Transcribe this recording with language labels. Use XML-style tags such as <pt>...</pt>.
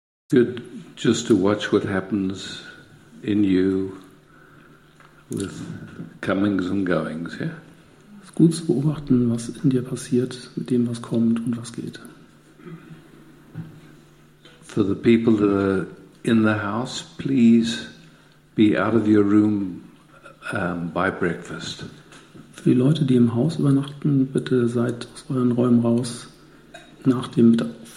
<en>Good just to watch what happens in you with comings and goings, yeah?</en> <de>Es ist gut zu beobachten, was in dir passiert, mit dem, was kommt und was geht.</de> <en>For the people that are in the house, please be out of your room by breakfast.</en> <de>Für die Leute, die im Haus übernachten, bitte seid aus euren Räumen raus nach dem Mittag.</de>